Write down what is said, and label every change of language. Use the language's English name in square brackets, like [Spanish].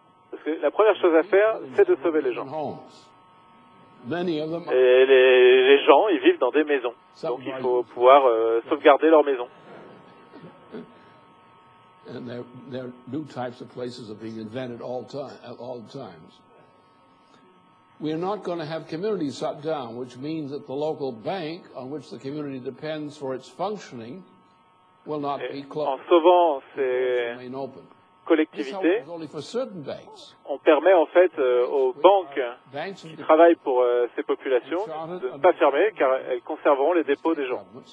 [French] Parce que la première chose à faire, c'est de sauver les gens. [English] Many of them. [French] Et les gens, ils vivent dans des maisons, donc il faut pouvoir sauvegarder leurs maisons. [English] And there are new types of places are being invented at all times. We are not going to have communities shut down, which means that the local bank on which the community depends for its functioning. [French] Et en sauvant ces collectivités, on permet en fait aux banques qui travaillent pour ces populations de ne pas fermer car elles conserveront les dépôts des gens.